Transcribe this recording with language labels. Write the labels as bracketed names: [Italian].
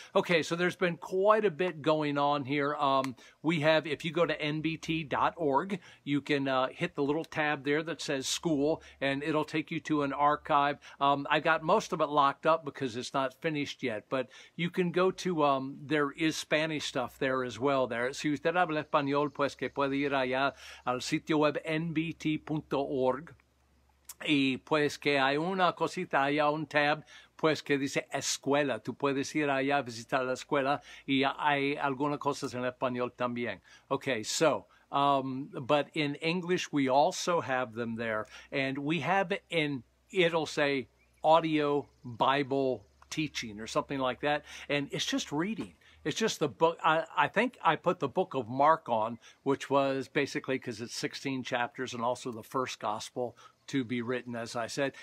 [English] Okay, so there's been quite a bit going on here. We have, if you go to nbt.org, you can hit the little tab there that says school, and it'll take you to an archive. I got most of it locked up because it's not finished yet, but you can go to, there is Spanish stuff there as well there. [Spanish] Si usted habla español, pues que puede ir allá al sitio web nbt.org. Y pues que hay una cosita, hay un tab, pues que dice escuela. Tú puedes ir allá a visitar la escuela y hay algunas cosas en español también. [English] Okay, so, but in English we also have them there. And we have in, it'll say audio Bible teaching or something like that. And it's just reading. It's just the book. I think I put the book of Mark on, which was basically because it's 16 chapters and also the first gospel to be written, as I said.